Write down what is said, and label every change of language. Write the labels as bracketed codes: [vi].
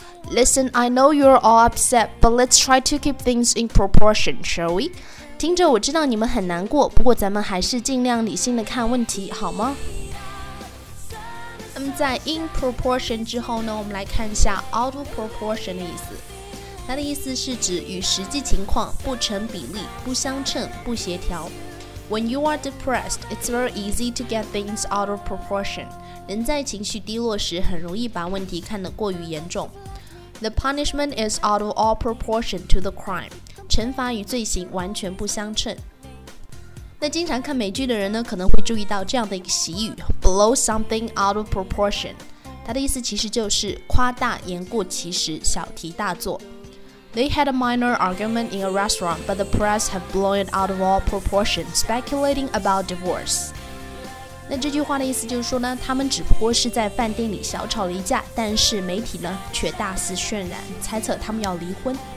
[en] Listen, I know you're all upset, but let's try to keep things in proportion, shall we? [zh] 听着，我知道你们很难过，不过咱们还是尽量理性的看问题，好吗？那么在 in proportion 之后呢，我们来看一下 out of proportion 的意思。它的意思是指与实际情况不成比例、不相称、不协调。 [en] When you are depressed, it's very easy to get things out of proportion. [zh] 人在情绪低落时，很容易把问题看得过于严重。 [en] The punishment is out of all proportion to the crime. [zh] 惩罚与罪行完全不相称。那经常看美剧的人呢，可能会注意到这样的一个习语 blow something out of proportion，它的意思其实就是夸大、言过其实、小题大做。 [en] They had a minor argument in a restaurant, but the press have blown it out of all proportion, speculating about divorce. [zh] 那这句话的意思就是说呢，他们只不过是在饭店里小吵了一架，但是媒体呢却大肆渲染，猜测他们要离婚。